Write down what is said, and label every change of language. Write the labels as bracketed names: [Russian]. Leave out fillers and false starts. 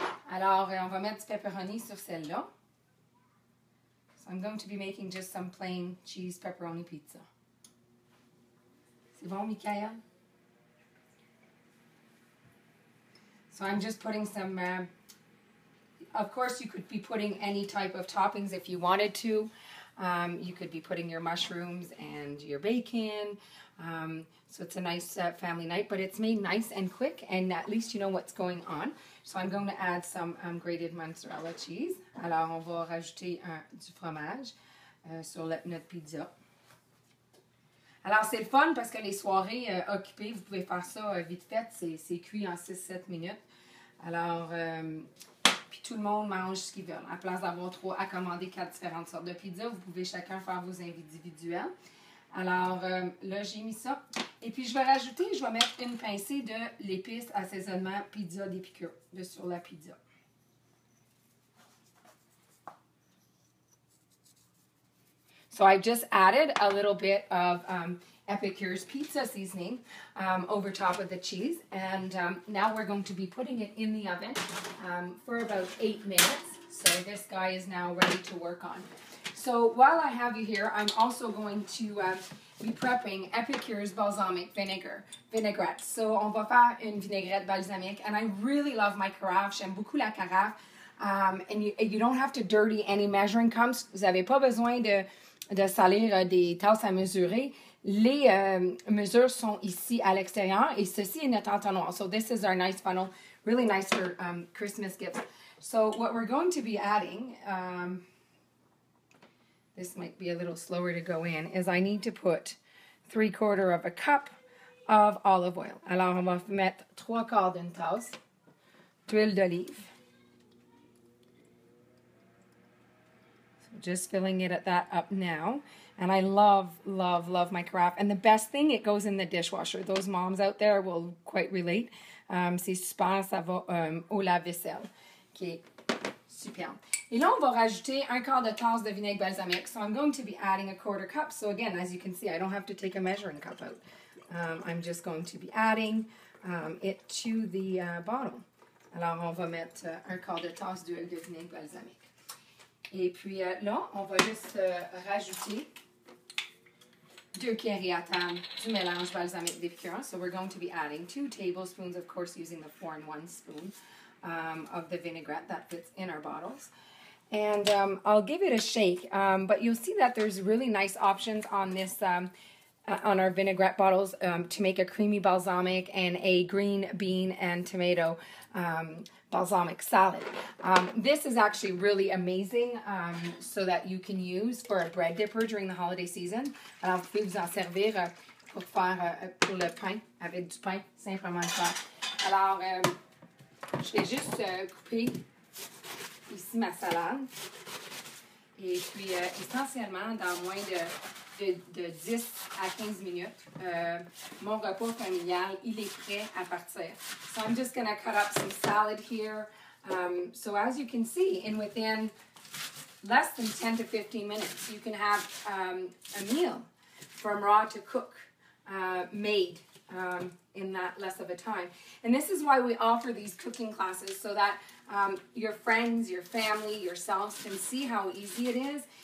[French] Alors, on va mettre du pepperoni sur celle-là. [English] I'm going to be making just some plain cheese pepperoni pizza. [French] C'est bon, Mikaya? [English] So I'm just putting some, of course you could be putting any type of toppings if you wanted to. You could be putting your mushrooms and your bacon. So it's a nice family night, but it's made nice and quick, and at least you know what's going on. So I'm going to add some grated mozzarella cheese. [French] Alors, on va rajouter du fromage sur notre pizza. Alors, c'est le fun parce que les soirées occupées, vous pouvez faire ça vite fait. C'est cuit en 6-7 minutes. Alors, puis tout le monde mange ce qu'ils veulent. À place d'avoir trois à commander quatre différentes sortes de pizza, vous pouvez chacun faire vos individuels. Alors, là, j'ai mis ça. Et puis, je vais mettre une pincée de l'épice assaisonnement pizza d'Epicure sur la pizza. [English] So I just added a little bit of Epicure's pizza seasoning over top of the cheese. And now we're going to be putting it in the oven for about 8 minutes. So this guy is now ready to work on. So while I have you here, I'm also going to be prepping Epicure's balsamic vinaigrette. [French] So on va faire une vinaigrette balsamique. [English] And I really love my carafe. [French] J'aime beaucoup la carafe. [English] And you don't have to dirty any measuring cups. [French] Vous n'avez pas besoin de salir des tasses à mesurer. Les mesures sont ici à l'extérieur et ceci est notre entonnoir. [English] So this is our nice funnel, really nice for Christmas gifts. So what we're going to be adding, this might be a little slower to go in, is I need to put 3/4 cup of olive oil. [French] Alors on va mettre 3/4 d'une tasse d'huile d'olive. [English] Just filling it at that up now. And I love, love, love my carafe. And the best thing, it goes in the dishwasher. Those moms out there will quite relate. [French] C'est super, ça va au lave-vaisselle. OK, super. Et là, on va rajouter 1/4 tasse de vinaigre balsamique. [English] So I'm going to be adding 1/4 cup. So again, as you can see, I don't have to take a measuring cup out. I'm just going to be adding it to the bottle. [French] Alors, on va mettre 1/4 tasse d'huile de vinaigre balsamique. Et puis là, on va juste rajouter 2 cuillères à table du mélange balsamique d'Epicure. [English] So we're going to be adding 2 tablespoons, of course, using the 4-in-1 spoon of the vinaigrette that fits in our bottles. And I'll give it a shake, but you'll see that there's really nice options on this, on our vinaigrette bottles to make a creamy balsamic and a green bean and tomato balsamic salad. This is actually really amazing so that you can use for a bread dipper during the holiday season. [French] Alors, vous pouvez vous en servir pour faire pour le pain, avec du pain, simplement ça. Alors, je vais juste couper ici ma salade. Et puis, essentiellement, dans moins de 10 à 15 minutes, mon repas familial, il est prêt à partir. [English] So I'm just going to cut up some salad here. So as you can see, in within less than 10 to 15 minutes, you can have a meal from raw to cook, made in that less of a time. And this is why we offer these cooking classes, so that your friends, your family, yourselves can see how easy it is.